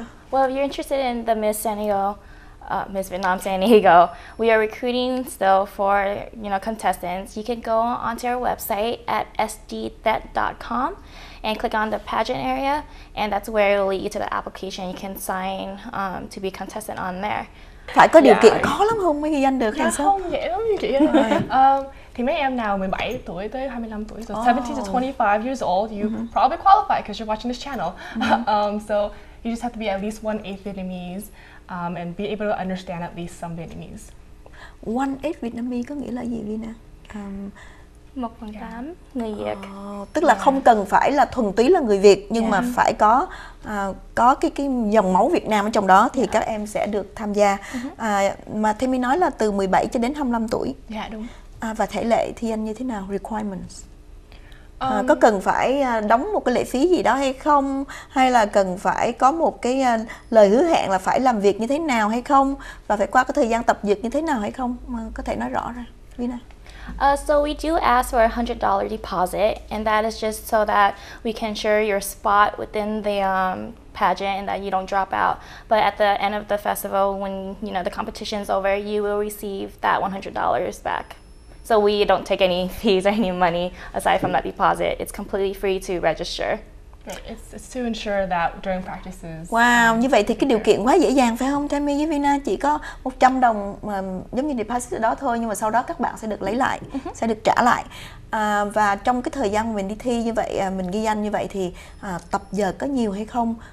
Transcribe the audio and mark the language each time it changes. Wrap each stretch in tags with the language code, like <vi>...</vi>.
<en>Well, if you're interested in the Miss San Diego, Miss Vietnam San Diego, we are recruiting still for, you know, contestants. You can go onto our website at sdthet.com and click on the pageant area, and that's where it will lead you to the application. You can sign to be contestant on there.</en> <vi>Phải có điều kiện khó lắm không mới ghi danh được hay sao? Không dễ lắm chị ơi. Thì mấy em nào 17 tuổi tới 25 tuổi,</vi> <en>so 17 to 25 years old, you probably qualify because you're watching this channel. So you just have to be at least 1/8 Vietnamese and be able to understand at least some Vietnamese.</en> <vi>1/8 Vietnamese có nghĩa là gì Vina? 1/8 người Việt. Tức là không cần phải là thuần túy là người Việt nhưng mà phải có cái dòng máu Việt Nam ở trong đó thì các em sẽ được tham gia. Mà Tammy nói là từ 17 cho đến 25 tuổi. Dạ đúng. Và thể lệ thi anh như thế nào? Requirements. Có cần phải đóng một cái lệ phí gì đó hay không? Hay là cần phải có một cái lời hứa hẹn là phải làm việc như thế nào hay không? Và phải qua cái thời gian tập dượt như thế nào hay không? Có thể nói rõ ra. Vina.</vi> <en>So we do ask for a $100 deposit, and that is just so that we can ensure your spot within the pageant and that you don't drop out. But at the end of the festival, when you know the competition is over, you will receive that $100 back. So we don't take any fees or any money aside from that deposit. It's completely free to register. It's to ensure that during practices.</en> <vi>Wow, như vậy thì cái điều kiện quá dễ dàng phải không? Tammy với Vina chỉ có 100 đồng giống như deposit đó thôi, nhưng mà sau đó các bạn sẽ được lấy lại, sẽ được trả lại. Và trong cái thời gian mình đi thi như vậy, mình ghi danh như vậy thì tập giờ có nhiều hay không?</vi>